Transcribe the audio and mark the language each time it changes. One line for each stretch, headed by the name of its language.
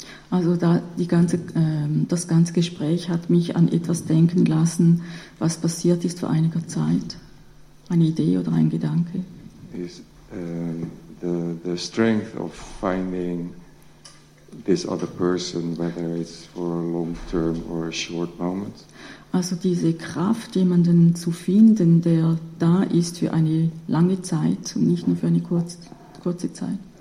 German: Also da die ganze, das ganze Gespräch hat mich an etwas denken lassen, was passiert ist vor einiger Zeit. Eine Idee oder ein Gedanke.
English: Is the strength of finding this other person, whether it's for a long term or a short moment.
German: Also diese Kraft, jemanden zu finden, der da ist für eine lange Zeit und nicht nur für eine kurze Zeit.